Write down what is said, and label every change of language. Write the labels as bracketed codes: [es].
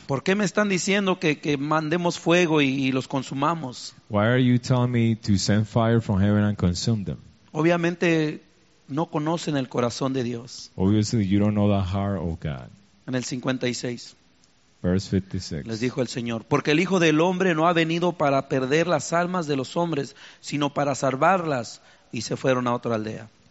[es] ¿Por qué me están diciendo que mandemos fuego y los consumamos? [en] Why are you telling me to send fire from heaven and consume them? [es] Obviamente no conocen el corazón de Dios. [en] Obviously you don't know the heart of God. [es] En el 56. [en] Verse 56. [es] Les dijo el Señor, porque el Hijo del Hombre no ha venido para perder las almas de los hombres, sino para salvarlas, y se fueron a otra aldea.